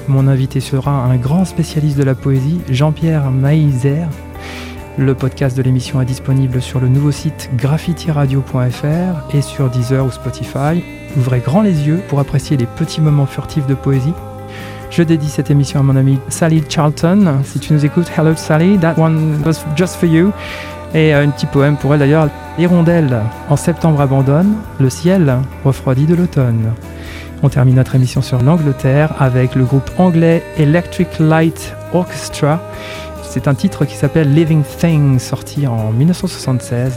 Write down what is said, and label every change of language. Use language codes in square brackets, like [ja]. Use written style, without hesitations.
[fr] Mon invité sera un grand spécialiste de la poésie, Jean-Pierre Maizer. Le podcast de l'émission est disponible sur le nouveau site graffitiradio.fr et sur Deezer ou Spotify. Ouvrez grand les yeux pour apprécier les petits moments furtifs de poésie. Je dédie cette émission à mon ami Sally Charlton. Si tu nous écoutes, [en] hello Sally, that one was just for you. [fr] Et un petit poème pour elle d'ailleurs. Hirondelle, en septembre abandonne, le ciel refroidit de l'automne. On termine notre émission sur l'Angleterre avec le groupe anglais Electric Light Orchestra. C'est un titre qui s'appelle Living Thing, sorti en 1976.